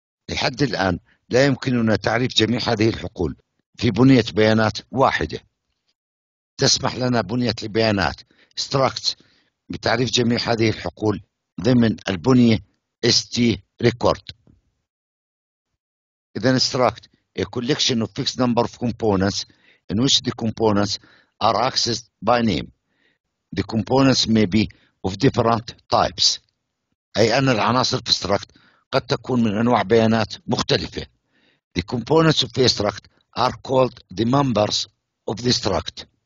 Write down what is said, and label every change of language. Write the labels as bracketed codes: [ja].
[ar] لحد الآن لا يمكننا تعريف جميع هذه الحقول في بنية بيانات واحدة. تسمح لنا بنية البيانات structs بتعريف جميع هذه الحقول ضمن البنية ST record. [en] إذا struct a collection of fixed number of components in which the components are accessed by name. The components may be of different types. [ar] أي أن العناصر في struct قد تكون من أنواع بيانات مختلفة. [en] The components of the struct are called the members of the struct.